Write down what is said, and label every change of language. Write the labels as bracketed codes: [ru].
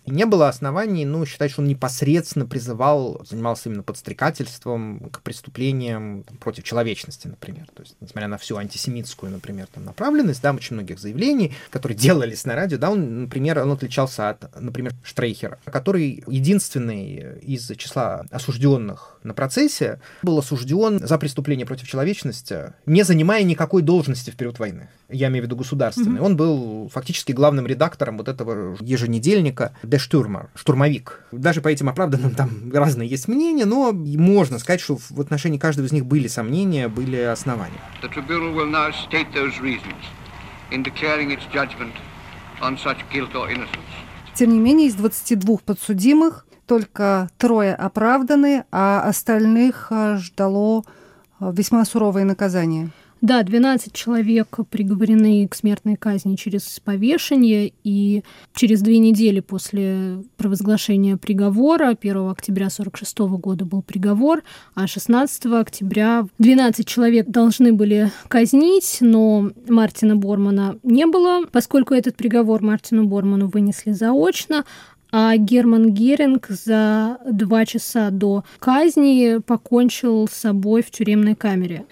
[ru] И не было оснований, ну, считать, что он непосредственно призывал, занимался именно подстрекательством к преступлениям против человечности, например, то есть, несмотря на всю антисемитскую, например, там, направленность, да, очень многих заявлений, которые делались на радио, да, он, например, он отличался от, например, Штрейхера, который единственный из числа осужденных на процессе был осужден за преступление против человечности, не занимая никакой должности в период войны. Я имею в виду государственный. Mm-hmm. Он был фактически главным редактором вот этого еженедельника «Де Штюрмер», «Штурмовик». Даже по этим оправданным там разные есть мнения, но можно сказать, что в отношении каждого из них были сомнения, были основания. [en] The tribunal will now state those reasons in declaring its judgment on such guilt or innocence. [ru] Тем не менее, из 22 подсудимых только трое оправданы, а остальных ждало весьма суровое наказание. Да, 12 человек приговорены к смертной казни через повешение, и через 2 недели после провозглашения приговора, 1 октября 1946 года был приговор, а 16 октября 12 человек должны были казнить, но Мартина Бормана не было, поскольку этот приговор Мартину Борману вынесли заочно, а Герман Геринг за 2 часа до казни покончил с собой в тюремной камере.